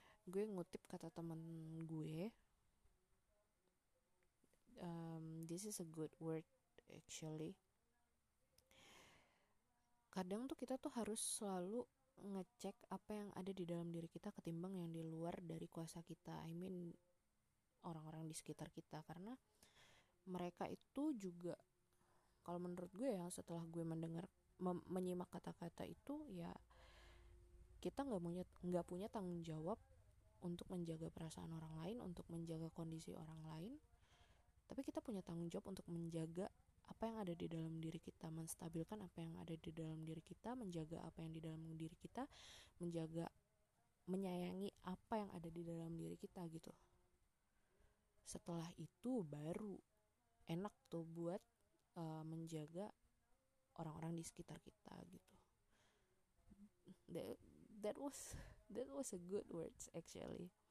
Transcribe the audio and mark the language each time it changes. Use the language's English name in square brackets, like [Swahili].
[Indonesian] Gue ngutip kata teman gue, [English] this is a good word actually. [Indonesian] Kadang tuh kita tuh harus selalu ngecek apa yang ada di dalam diri kita ketimbang yang di luar dari kuasa kita. [English] I mean [Indonesian] orang-orang di sekitar kita, karena mereka itu juga, kalau menurut gue ya, setelah gue mendengar menyimak kata-kata itu, ya kita nggak punya tanggung jawab untuk menjaga perasaan orang lain, untuk menjaga kondisi orang lain, tapi kita punya tanggung jawab untuk menjaga apa yang ada di dalam diri kita, menstabilkan apa yang ada di dalam diri kita, menjaga apa yang di dalam diri kita, menjaga, menyayangi apa yang ada di dalam diri kita gitu. Setelah itu baru enak tuh buat menjaga orang-orang di sekitar kita gitu. [English] That was a good words actually.